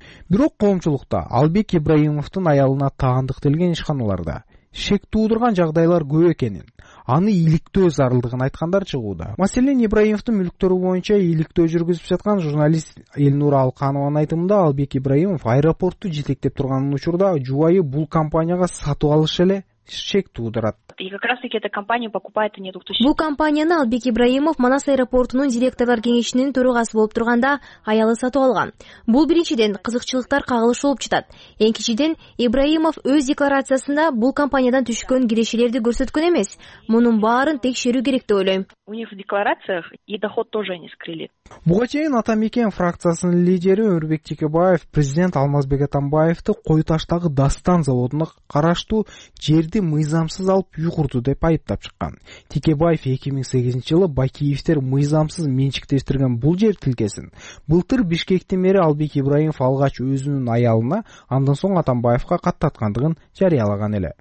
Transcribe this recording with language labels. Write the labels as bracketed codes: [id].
[ky] Бирок коомчулукта Албек Ибраимовдун аялына таандык делген ишканаларда шек туудурган жагдайлар көп экенин, аны иликтөө зарылдыгын айткандар чыгууда. Маселен, Ибраимовдун мүлктөрү боюнча иликтөө жүргүзүп жаткан журналист Элнура Алканованын айтымында Албек Ибраимов аэропортту жетектеп турганын учурда жубайы бул компанияга сатып алыш эле шек туудурат. [ru] И как раз таки эта компания покупает они 2000. [ky] Бул компанияны Албек Ибраимов Манас аэропортунун директорлор кеңешинин төрагасы болуп турганда аялы сатып алган. Бул биринчиден кызыкчылыктар кагылыш болуп жатат. Экинчиден Ибраимов өз декларациясында бул компаниядан түшкөн кирешелерди көрсөткөн эмес. Мунун баарын текшерүү керек деп ойлойм. [ru] У них в декларациях и доход тоже они скрыли. [ky] Буга чейин Атамекен фракциясынын лидери Өрбек Текебаев президент Алмазбек Атамбаевди Койташтагы Дастан заводуна караштуу жерди мыйзамсыз алып юкурду деп айыптап чыккан. Текебаев 2008 жылы Бакиевтер мыйзамсыз менчиктештирген бул жер тилкесин былтыр Бишкектин мэри Албек Ибраимов алгач өзүнүн аялына, андан соң Атамбаевга каттаткандыгын жарыялаган эле.